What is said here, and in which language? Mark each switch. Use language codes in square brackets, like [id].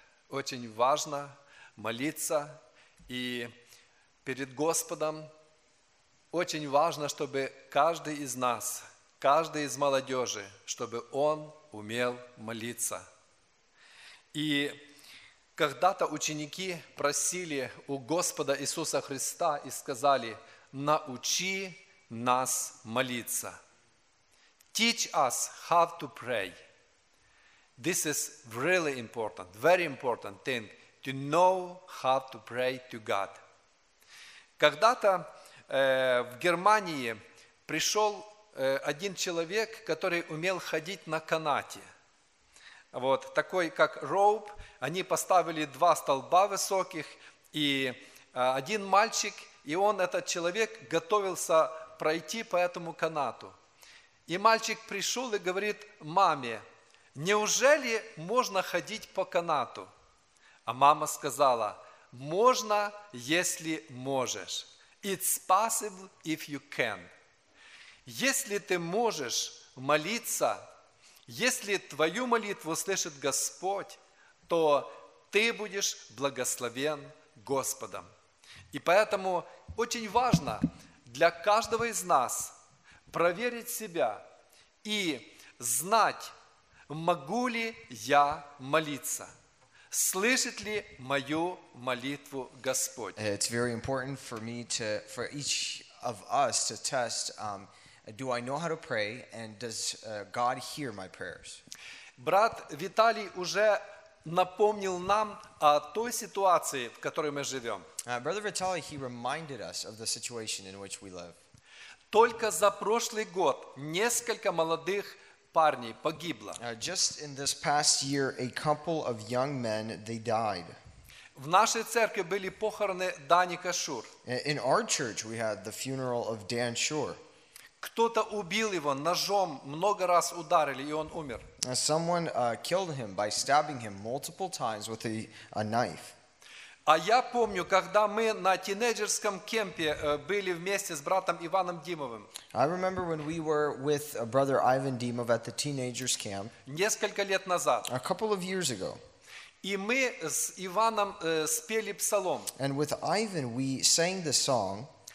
[ru] Очень важно молиться. И перед Господом очень важно, чтобы каждый из нас, каждый из молодежи, чтобы он умел молиться. И когда-то ученики просили у Господа Иисуса Христа и сказали: «Научи нас молиться». [en] Teach us how to pray. This is really important, very important thing to know how to pray to God. [ru] Когда-то в Германии пришел один человек, который умел ходить на канате. Вот, такой как rope. Они поставили два столба высоких, и один мальчик, и он, этот человек, готовился пройти по этому канату. И мальчик пришел и говорит маме: «Неужели можно ходить по канату?» А мама сказала: «Можно, если можешь». [en] It's possible if you can. [ru] Если ты можешь молиться, если твою молитву слышит Господь, то ты будешь благословен Господом. И поэтому очень важно для каждого из нас проверить себя и знать, могу ли я молиться, слышит ли мою молитву Господь. [en] It's very important for me to, for each of us to test, do I know how to pray and does God hear my prayers? [ru] Брат Виталий уже напомнил нам о той ситуации, в которой мы живем. [en] Brother Vitaly, he reminded us of the situation in which we live. [ru] Только за прошлый год несколько молодых парней погибло. [en] Just in this past year, a couple of young men, they died. [ru] В нашей церкви были похороны Дани Кашур. [en] In our church, we had the funeral of Dan Shore. [ru] Кто-то убил его ножом, много раз ударили, и он умер. [en] Someone killed him by stabbing him multiple times with a knife. [ru] А я помню, когда мы на тинейджерском кемпе были вместе с братом Иваном Димовым. [en] I remember when we were with brother Ivan Dimov at the teenagers camp. [ru] Несколько лет назад. [en] A couple of years ago. [ru] И мы с Иваном спели псалом. [en] And with Ivan we sang the song.